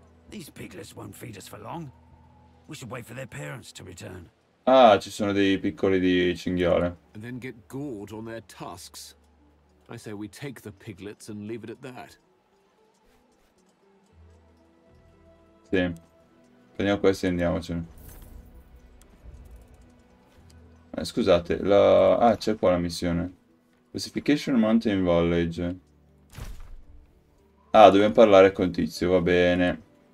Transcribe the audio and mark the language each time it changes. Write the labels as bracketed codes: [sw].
[en] These piglets won't feed us for long. We should wait for their parents to return. [it] Ah, ci sono dei piccoli di cinghiale. [en] And then get gored on their tusks. I say we take the piglets and leave it at that. [it] Sì. Prendiamo questi e andiamocene. Scusate, la... Ah, c'è qua la missione. Pacification Mountain Village. Ah, dobbiamo parlare con Tizio, va bene.